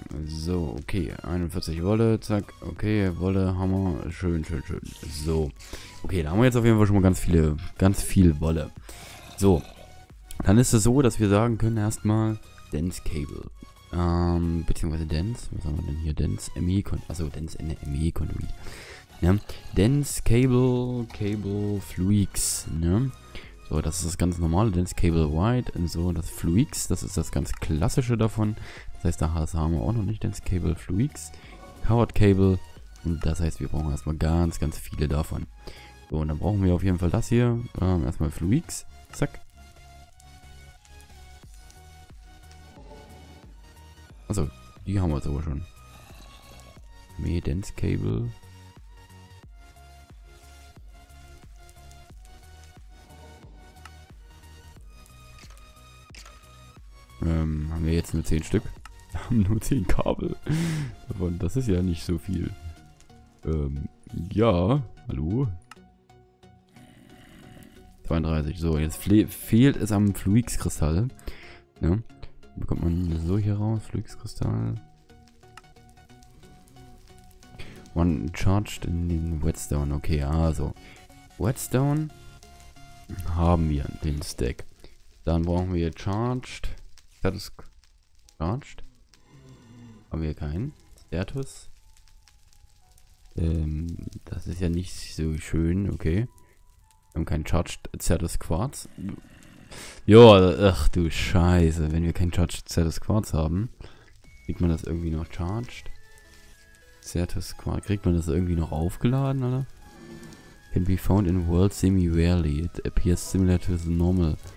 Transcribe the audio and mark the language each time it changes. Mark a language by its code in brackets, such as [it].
[de] So, okay, 41 Wolle, zack, okay, Wolle, Hammer, schön, schön, schön. So, okay, da haben wir jetzt auf jeden Fall schon mal ganz viel Wolle. So, dann ist es so, dass wir sagen können erstmal Dense Cable. Beziehungsweise Dense, was haben wir denn hier? Dense ME, also Dense ME Economy. Ja, Dense Cable Fluix, ne? So, das ist das ganz normale Dense Cable White und so das Fluix, das ist das ganz klassische davon. Das heißt, da haben wir auch noch nicht Dense Cable Fluix, Coward Cable und das heißt, wir brauchen erstmal ganz, ganz viele davon. So, und dann brauchen wir auf jeden Fall das hier, erstmal Fluix, zack. Achso, die haben wir jetzt aber schon. Mehr Dense Cable. Haben wir jetzt nur 10 Stück? Wir haben nur 10 Kabel. Davon, das ist ja nicht so viel. Ja. Hallo? 32. So, jetzt fehlt es am Fluix-Kristall. Ne? Bekommt man so hier raus, Fluix-Kristall. One charged in den Whetstone. Okay, also. Whetstone haben wir, den Stack. Dann brauchen wir charged. Status charged. Haben wir keinen. Status. Das ist ja nicht so schön. Okay. Wir haben keinen charged Status Quartz. Jo, ach du Scheiße. Wenn wir keinen charged Status Quartz haben, kriegt man das irgendwie noch charged. Status Quartz. Kriegt man das irgendwie noch aufgeladen, oder? [en] Can be found in world semi rarely. It appears similar to the normal.